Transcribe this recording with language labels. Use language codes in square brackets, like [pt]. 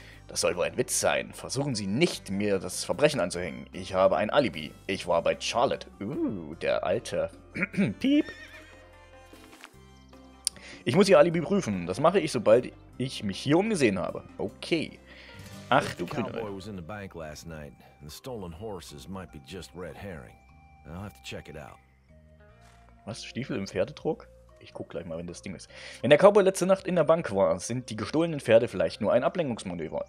[de] Das soll wohl ein Witz sein. Versuchen Sie nicht, mir das Verbrechen anzuhängen. Ich habe ein Alibi. Ich war bei Charlotte. Der alte. Piep. Ich muss Ihr Alibi prüfen. Das mache ich, sobald ich mich hier umgesehen habe. Okay. Ach, du grüne. [en] Cowboy was in the bank last night. The stolen horses might be just red herring. I'll have to check it out. [de] Was? Stiefel im Pferdetrog? Ich guck gleich mal, wenn das Ding ist. Wenn der Cowboy letzte Nacht in der Bank war, sind die gestohlenen Pferde vielleicht nur ein Ablenkungsmanöver.